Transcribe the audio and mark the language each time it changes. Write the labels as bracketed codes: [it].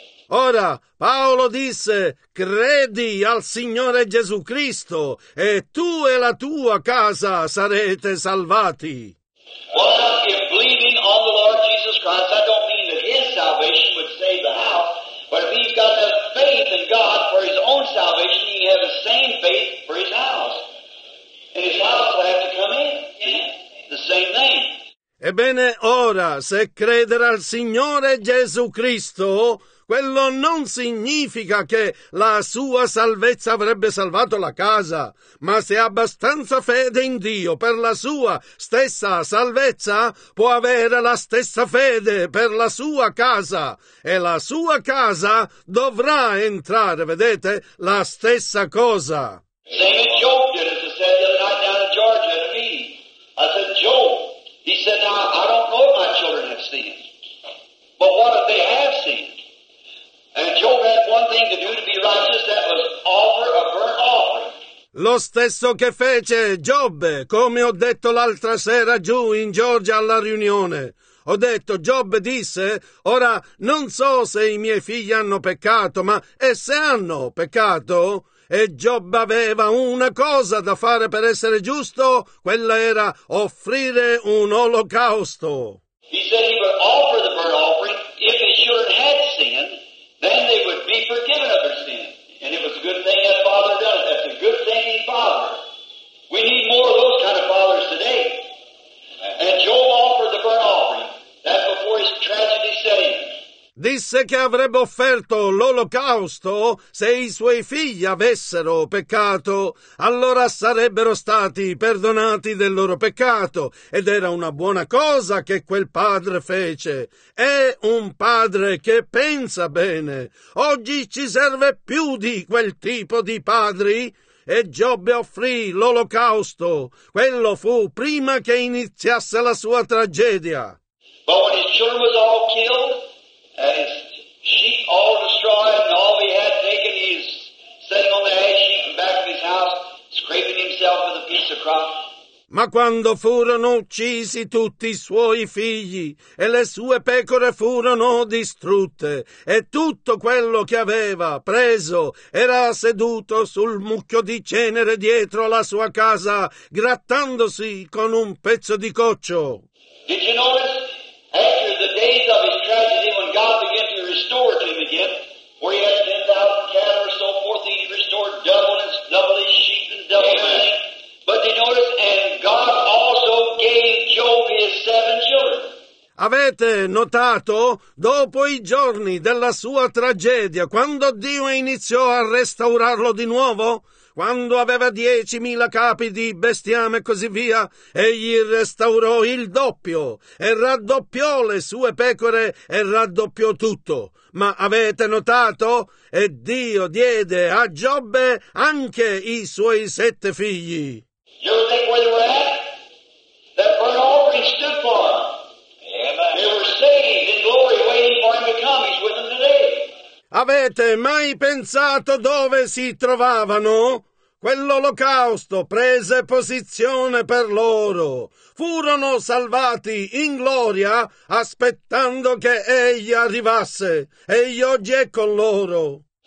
[it] Ora, Paolo disse, "Credi al Signore Gesù Cristo e tu e la tua casa sarete salvati." [en] Well, in believing on the Lord Jesus Christ, I don't mean that his salvation would save the house, but if he's got the faith in God for his own salvation, he has the same faith for his house. And his house will have to come in. The same thing. [it] Ebbene, ora, se credere al Signore Gesù Cristo, quello non significa che la sua salvezza avrebbe salvato la casa, ma se ha abbastanza fede in Dio per la sua stessa salvezza, può avere la stessa fede per la sua casa, e la sua casa dovrà entrare, vedete, la stessa cosa. [en] Same as Job did, as I said the other night down in Georgia to me. I said, "Job, he said, now, I don't know if my children have sinned, but what if they have sinned?" And Job had one thing to do to be righteous, that was offer a burnt offering. [it] Lo stesso che fece Giobbe, come ho detto l'altra sera giù in Georgia alla riunione. Ho detto, Giobbe disse, ora non so se i miei figli hanno peccato, ma e se hanno peccato? E Giobbe aveva una cosa da fare per essere giusto, quella era offrire un olocausto. [en] He said he would offer the burnt offering if his children had sinned. Then they would be forgiven of their sin. And it was a good thing that father done it. That's a good thing he fathered. We need more of those kind of fathers today. And Job offered the burnt offering. That's before his tragedy set in. [it] Disse che avrebbe offerto l'olocausto se i suoi figli avessero peccato, allora sarebbero stati perdonati del loro peccato, ed era una buona cosa che quel padre fece. È un padre che pensa bene. Oggi ci serve più di quel tipo di padri. E Giobbe offrì l'olocausto. Quello fu prima che iniziasse la sua tragedia. [en] But when his children was all killed, and his sheep all destroyed, and all he had taken, he is sitting on the ash heap in back of his house, scraping himself with a piece of crop. [it] Ma quando furono uccisi tutti i suoi figli e le sue pecore furono distrutte e tutto quello che aveva preso era seduto sul mucchio di cenere dietro la sua casa grattandosi con un pezzo di coccio. [en] Did you notice after the days of his tragedy when God began to restore to him again where he had 10,000 cattle or so forth, he restored double his sheep and double his men. But did you notice, and God also gave Job his 7 children. [it] Avete notato? Dopo i giorni della sua tragedia, quando Dio iniziò a restaurarlo di nuovo, quando aveva 10,000 capi di bestiame e così via, egli restaurò il doppio e raddoppiò le sue pecore e raddoppiò tutto. Ma avete notato? E Dio diede a Giobbe anche i suoi 7 figli. [en] You ever think where they were at? That burnt offering stood for them. Amen. They were saved in glory waiting for him to come. He's with them today. [it] Avete mai pensato dove si trovavano? Quell'olocausto prese posizione per loro. Furono salvati in gloria aspettando che egli arrivasse. Egli oggi è con loro.